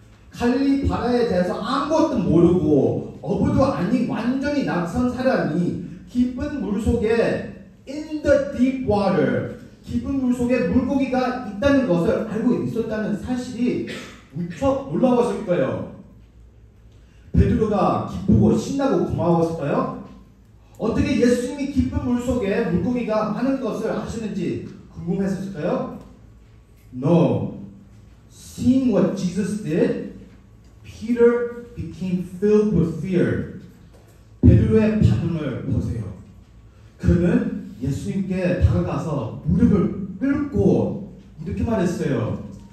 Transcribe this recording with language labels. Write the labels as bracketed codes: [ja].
[ko] 갈릴리 바다에 대해서 아무것도 모르고 어부도 아닌 완전히 낯선 사람이 깊은 물 속에 [en] in the deep water, [ko] 깊은 물 속에 물고기가 있다는 것을 알고 있었다는 사실이 무척 놀라웠을 거예요. 베드로가 기쁘고 신나고 고마웠을까요? 어떻게 예수님이 깊은 물 속에 물고기가 많은 것을 아시는지 궁금했을까요? [en] No. Seeing what Jesus did, Peter became filled with fear. [ko] 베드로의 반응을 보세요. 그는 예수님께 다가가서 무릎을 꿇고 이렇게 말했어요.